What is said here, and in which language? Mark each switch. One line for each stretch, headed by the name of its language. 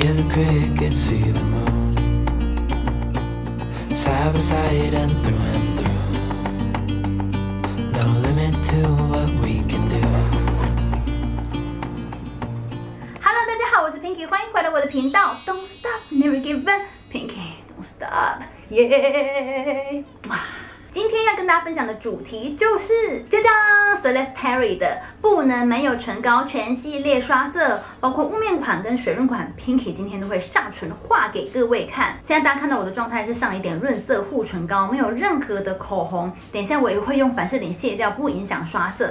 English: Crickets see the moon, side by side and through, no limit to what we can do.
Chinese: Hello, 大家好，我是 Pinky， 欢迎回到我的频道。
English: Don't stop, never give up, Pinky. Don't stop, yeah.
Chinese: 今天要跟大家分享的主题就是，就叫 Celeste Terry 的。不能没有唇膏全系列刷色，包括雾面款跟水润款， Pinky 今天都会上唇画给各位看。现在大家看到我的状态是上一点润色护唇膏，没有任何的口红，等一下我也会用凡士林卸掉，不影响刷色。